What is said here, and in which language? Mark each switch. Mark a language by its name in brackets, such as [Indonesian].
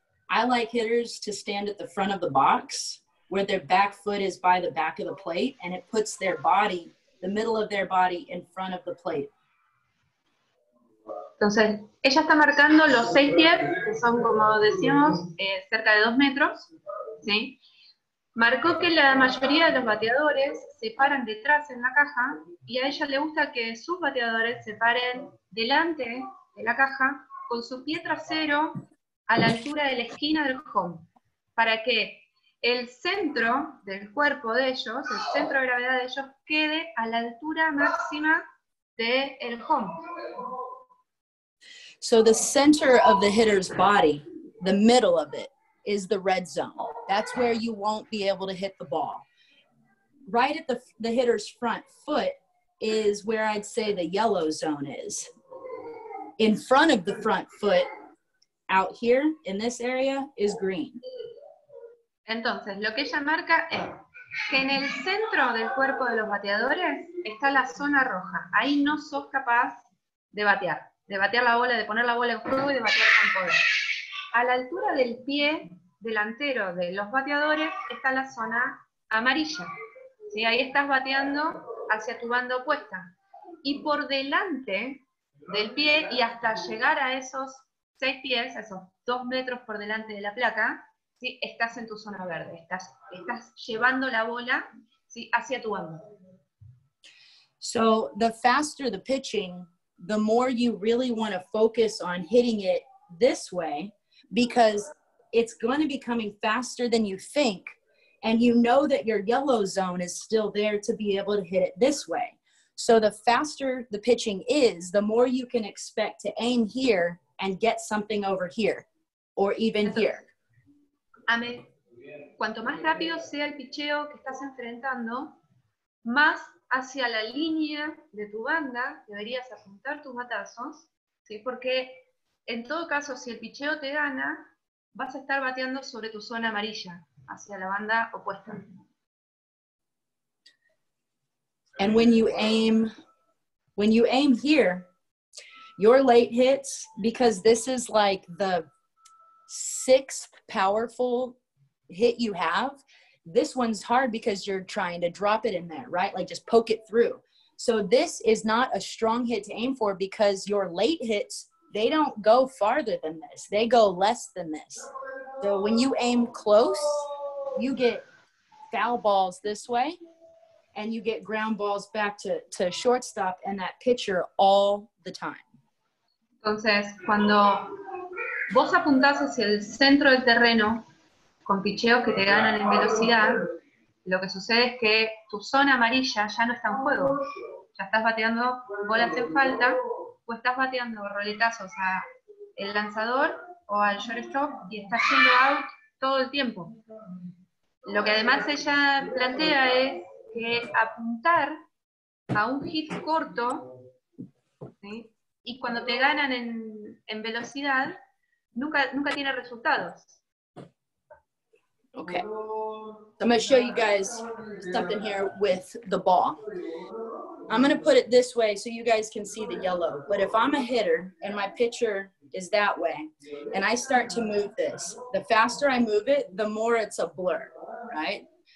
[English] I like hitters to stand at the front of the box where their back foot is by the back of the plate and it puts their body, the middle of their body, in front of the plate. [Spanish] Entonces, ella está marcando los 6 pies, que son, como decíamos, cerca de 2 metros, ¿sí? Marcó que la mayoría de los bateadores se paran detrás en la caja y a ella le gusta que sus bateadores se paren delante de la caja con su pie trasero a la altura de la esquina del home para que el centro del cuerpo de ellos, el centro de gravedad de ellos, quede a la altura máxima del home. [English] So the center of the hitter's body, the middle of it, is the red zone. That's where you won't be able to hit the ball. Right at the hitter's front foot is where I'd say the yellow zone is. In front of the front foot, out here in this area, is green. [Spanish] Entonces, lo que ella marca es que en el centro del cuerpo de los bateadores está la zona roja. Ahí no sos capaz de batear la bola, de poner la bola en juego y de batear con poder. A la altura del pie delantero de los bateadores está la zona amarilla. ¿Sí? Ahí estás bateando hacia tu banda opuesta. Y por delante del pie y hasta llegar a esos 6 pies, a esos 2 metros por delante de la placa, ¿sí? Estás en tu zona verde. Estás llevando la bola, ¿sí? hacia tu banda. [English] So, the faster the pitching, the more you really want to focus on hitting it this way, because it's going to be coming faster than you think, and you know that your yellow zone is still there to be able to hit it this way. So the faster the pitching is, the more you can expect to aim here and get something over here, or even here. [Spanish] Amén. Cuanto más rápido sea el picheo que estás enfrentando, más hacia la línea de tu banda deberías apuntar tus batazos, ¿sí? Porque en todo caso, si el picheo te gana, vas a estar bateando sobre tu zona amarilla, hacia la banda opuesta. And when you aim here, your late hits, because this is like the sixth powerful hit you have, this one's hard because you're trying to drop it in there, right? Like just poke it through. So this is not a strong hit to aim for because your late hits, they don't go farther than this. They go less than this. So when you aim close, you get foul balls this way and you get ground balls back to shortstop and that pitcher all the time. Entonces, cuando vos apuntás hacia el centro del terreno con picheos que te ganan en velocidad, lo que sucede es que tu zona amarilla ya no está en juego. Ya estás bateando bolas en falta o estás bateando roletazos a el lanzador o al shortstop y estás yendo out todo el tiempo. Lo que además ella plantea es que apuntar a un hit corto, ¿sí? Y cuando te ganan en velocidad, nunca tiene resultados. [English] Okay, so I'm going to show you guys something here with the ball. I'm going to put it this way so you guys can see the yellow. But if I'm a hitter and my pitcher is that way, and I start to move this, the faster I move it, the more it's a blur, right?